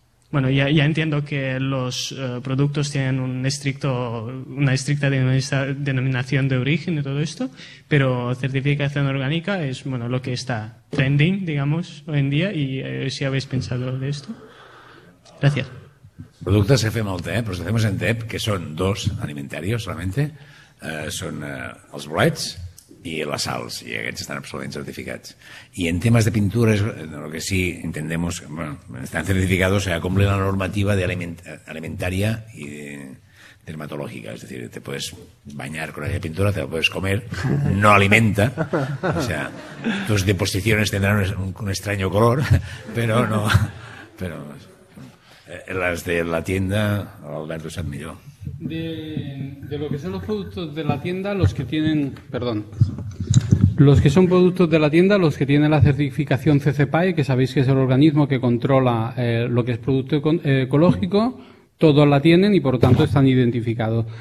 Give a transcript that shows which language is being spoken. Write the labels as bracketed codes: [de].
[es] Bueno, ya entiendo que los productos tienen una estricta denominación de origen y todo esto, pero certificación orgánica es, bueno, lo que está trending, digamos, hoy en día, y si habéis pensado de esto. Gracias. [ca] Productes que fem al TEP, els que fem en TEP, que són dos alimentaris solament, són els bolets i les sals, i aquests estan absolutament certificats. I en temes de pintures, el que sí, entendem, bueno, estan certificats, o sigui, complen la normativa alimentària i dermatològica, és a dir, te pots banyar amb aquella pintura, te la pots comer, no alimenta, o sigui, [es] tus deposiciones tendran un estranyo color, [ca] però no... [es] Però, las de la tienda, Alberto se admiró. De lo que son los productos de la tienda, los que tienen, perdón, los que son productos de la tienda, los que tienen la certificación CCPAE, que sabéis que es el organismo que controla lo que es producto ecológico, todos la tienen y por tanto están identificados.